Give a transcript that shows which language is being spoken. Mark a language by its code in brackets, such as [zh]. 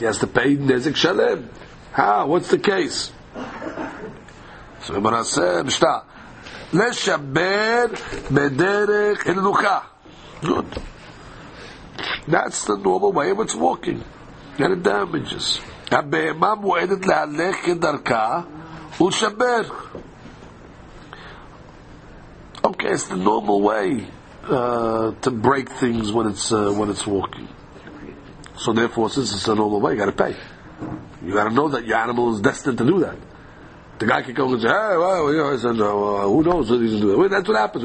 [en] He has to pay [he] nezek shalem. [en] How? What's the case? So when I say mishta, let's [he] shaber mederech hiluka. [en] Good. That's the normal way of it's walking, and it damages. [he] הבהמה מועדת להלך כדרכה ולשבר. [en] Okay, it's the normal way to break things when it's walking. So therefore, since it's a normal way, you got to pay. You got to know that your animal is destined to do that. The guy can go and say, "Hey, well, you know," I said, "who knows what he's going to do?" Well, that's what happens.